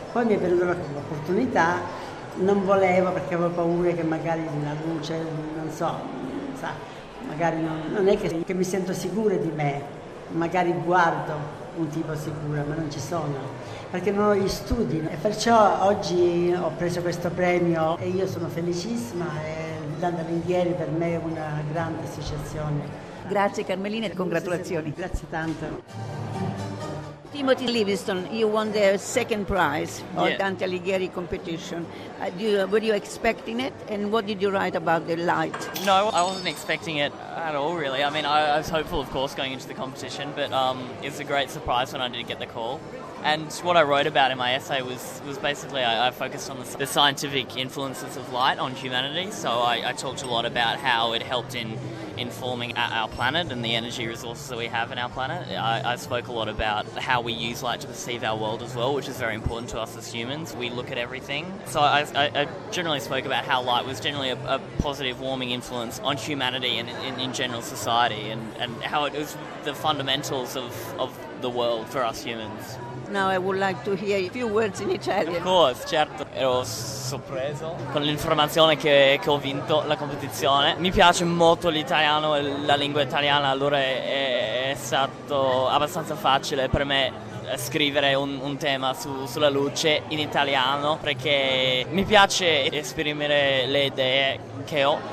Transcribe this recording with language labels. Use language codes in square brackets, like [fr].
[it] Poi mi è venuta l'opportunità, non volevo perché avevo paura che magari la luce, non so, sa, magari non è che mi sento sicura di me, magari guardo un tipo sicuro, ma non ci sono, perché non ho gli studi, e perciò oggi ho preso questo premio e io sono felicissima, e l'Anda Lindieri per me è una grande associazione. Grazie Carmelina e congratulazioni. Grazie tanto. [en] Timothy Livingstone, you won the second prize of Dante Alighieri competition. Were you expecting it? And what did you write about the light? No, I wasn't expecting it at all, really. I mean, I was hopeful, of course, going into the competition, but it was a great surprise when I did get the call. And what I wrote about in my essay was basically I focused on the scientific influences of light on humanity. So I talked a lot about how it helped in informing our planet and the energy resources that we have in our planet. I spoke a lot about how we use light to perceive our world as well, which is very important to us as humans. We look at everything. So I generally spoke about how light was generally a positive warming influence on humanity and in general society, and how it was the fundamentals of the world for us humans. Now I would like to hear a few words in Italian. Of course, certo. [it] Ero sorpreso con l'informazione che ho vinto la competizione. Mi piace molto l'italiano e la lingua italiana, allora è stato abbastanza facile per me scrivere un tema sulla luce in italiano, perché mi piace esprimere le idee che ho